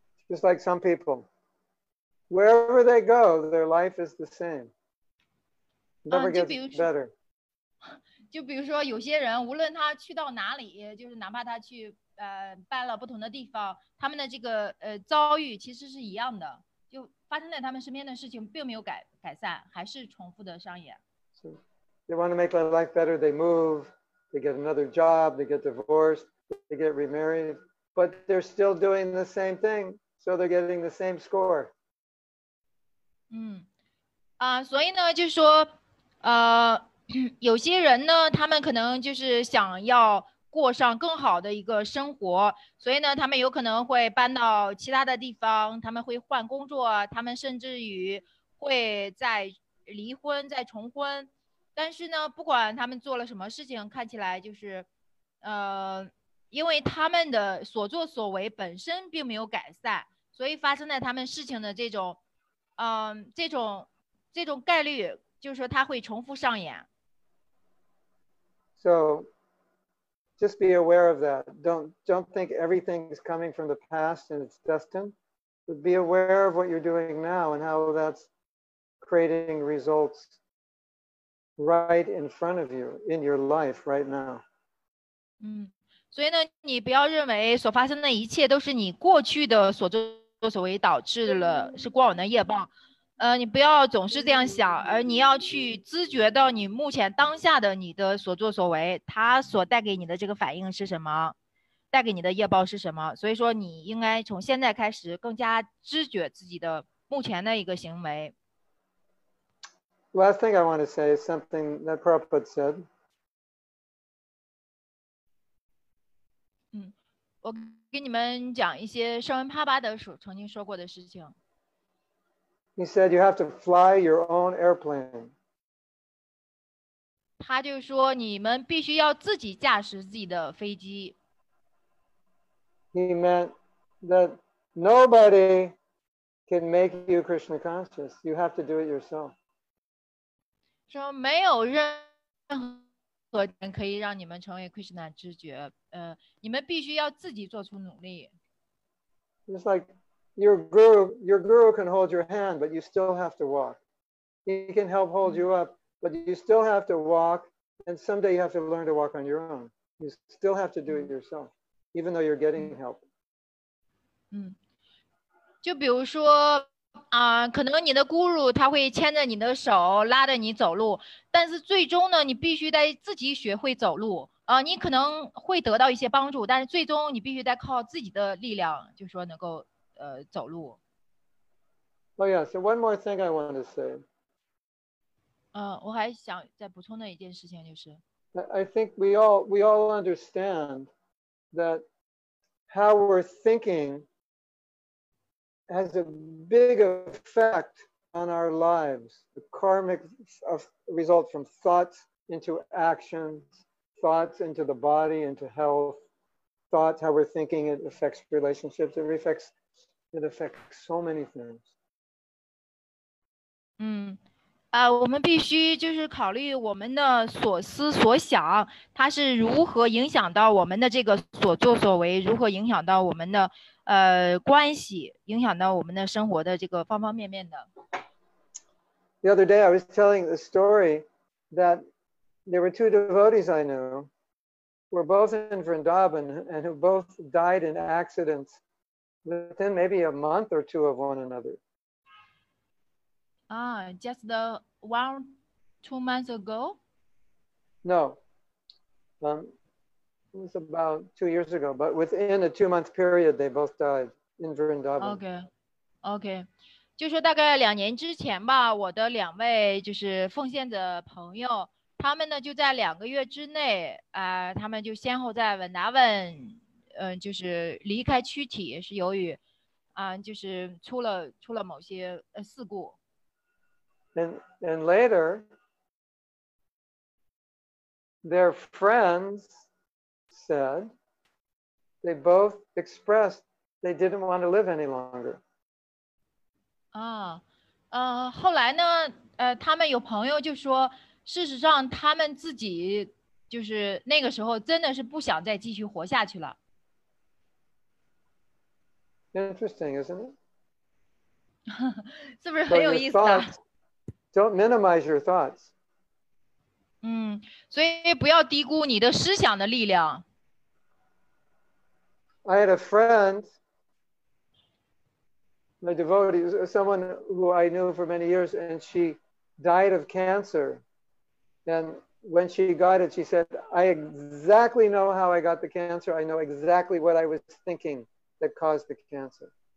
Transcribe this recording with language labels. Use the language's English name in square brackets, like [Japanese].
[English] Just like some people, wherever they go, their life is the same. Never gets better. [Chinese] 就比如说有些人无论他去到哪里，就是哪怕他去搬了不同的地方，他们的这个遭遇其实是一样的，就发生在他们身边的事情并没有改善，还是重复的上演。 [English] So, they want to make their life better, they move, they get another job, they get divorced, they get remarried, but they're still doing the same thing, so they're getting the same score. [Chinese] 所以呢就说有些人呢他们可能就是想要过上更好的一个生活，所以呢他们有可能会搬到其他的地方，他们会换工作，他们甚至于会再离婚再重婚，但是呢不管他们做了什么事情，看起来就是因为他们的所作所为本身并没有改善，所以发生在他们事情的这种概率就是说他会重复上演。 [English] So just be aware of that. Don't think everything is coming from the past and it's destined. But be aware of what you're doing now and how that's creating results right in front of you in your life right now. [Chinese] 所以呢，你不要认为所发生的一切都是你过去的所作所为导致了，是过往的业报。你不要总是这样想，而你要去知觉到你目前当下的你的所作所为，它所带给你的这个反应是什么，带给你的业报是什么。所以说你应该从现在开始更加知觉自己的目前的一个行为。 [English] Last thing I want to say is something that Prabhupada said. [Chinese] 我给你们讲一些圣文帕巴德曾经说过的事情。 [English] He said, you have to fly your own airplane. [Chinese] 他就说你们必须要自己驾驶自己的飞机。 [English] He meant that nobody can make you Krishna conscious. You have to do it yourself. [Chinese] 说没有任何人可以让你们成为 Krishna 知觉，你们必须要自己做出努力。 [English] It's like,Your guru can hold your hand, but you still have to walk. He can help hold you up, but you still have to walk, and someday you have to learn to walk on your own. You still have to do it yourself, even though you're getting help. [Chinese] 就比如说，可能你的guru他会牵着你的手，拉着你走路，但是最终呢，你必须得自己学会走路。你可能会得到一些帮助，但是最终你必须得靠自己的力量，就说能够走路。 [English] Oh yeah, so one more thing I want to say. [Chinese] 我还想再补充的一件事情就是 [English] I think we all understand that how we're thinking has a big effect on our lives. The karmic result from thoughts into actions, thoughts into the body, into health, thoughts, how we're thinking, it affects relationships, it affects so many things. [Chinese] 我们必须就是考虑我们的所思所想，它是如何影响到我们的这个所作所为，如何影响到我们的关系，影响到我们的生活的这个方方面面的。 [English] The other day I was telling the story that there were two devotees I knew, were both in Vrindavan and who both died in accidents within maybe a month or two of one another. Just the 1-2 months ago? No. It was about 2 years ago, but within a 2 month period, they both died in Vrindavan. Okay. Okay. [Chinese] 就说大概两年之前吧，我的两位就是奉献的朋友，他们呢就在两个月之内，他们就先后在文达文，就是离开躯体，是由于，就是出了某些事故。 [English] And later, their friends said they both expressed they didn't want to live any longer. [Chinese] 后来呢，他们有朋友就说，事实上他们自己就是那个时候真的是不想再继续活下去了。 [English] Interesting, isn't it? [Chinese] 是不是很有意思啊？ [English] Don't minimize your thoughts. [Chinese] 所以不要低估你的思想的力量。 [English] I had a friend, my devotee, someone who I knew for many years, and she died of cancer. And when she got it, she said, I exactly know how I got the cancer. I know exactly what I was thinking that caused the cancer.